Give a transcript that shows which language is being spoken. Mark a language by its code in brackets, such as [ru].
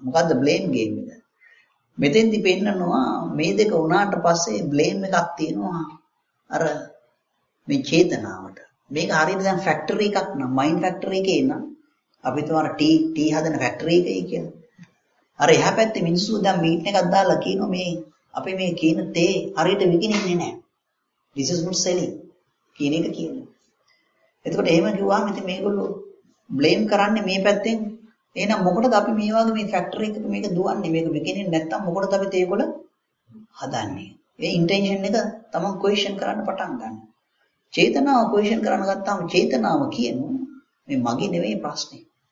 [si] මොකද්ද blame game එක? මෙතෙන්දි පෙන්නනවා මේ දෙක වුණාට පස්සේ blame එකක් තියෙනවා. අර මේ චේතනාවට. මේක හරියට දැන් factory එකක් නම mind factory එකේ නම අපි තුමාර tea හදන factory එකයි කියන්නේ. අර එහා පැත්තේ මිනිස්සු දැන් මීට් එකක් දාලා කියනවා මේ අපි මේ කියන තේ හරියට විකිණෙන්නේ නැහැ. [en] This is not selling [si] කියන එක කියනවා. එතකොට එහෙම කිව්වම ඉතින් මේගොල්ලෝ බ්ලේම් කරන්නේ මේ පැත්තෙන්. එහෙනම් මොකටද අපි මේ වගේ මේ ෆැක්ටරි එකක මේක දුවන්නේ? මේක විකිණෙන්නේ නැත්තම් මොකටද අපි තේකොළ හදන්නේ? ඒ ඉන්ටෙන්ෂන් එක තමයි ක්වෙස්චන් කරන්න පටන් ගන්න. චේතනාව ක්වෙස්චන් කරන්න ගත්තාම චේතනාව කියනවා මේ මගේ නෙමෙයි ප්‍රශ්නේ.